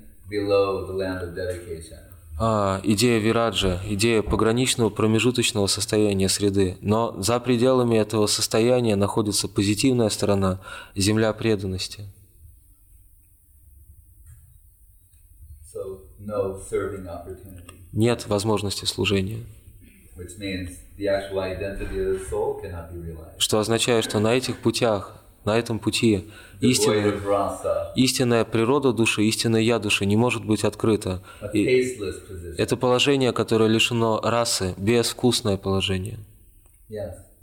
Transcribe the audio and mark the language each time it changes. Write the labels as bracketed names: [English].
[Russian] Идея вираджа, идея пограничного промежуточного состояния среды. Но за пределами этого состояния находится позитивная сторона, земля преданности. [English] So, no serving opportunity. [Russian] Нет возможности служения. [English] Which means the actual identity of the soul cannot be realized. [Russian] Что означает, что на этих путях, на этом пути истинная природа души, истинное я души не может быть открыто. [English] И a tasteless position. [Russian] Это положение, которое лишено расы, безвкусное положение. [English] Yes.